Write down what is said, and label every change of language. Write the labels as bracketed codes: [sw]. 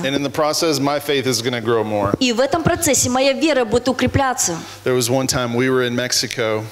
[en] And in the process, my faith is going to grow more. [ru] И в этом процессе моя вера будет укрепляться. [en] There was one time we were in Mexico.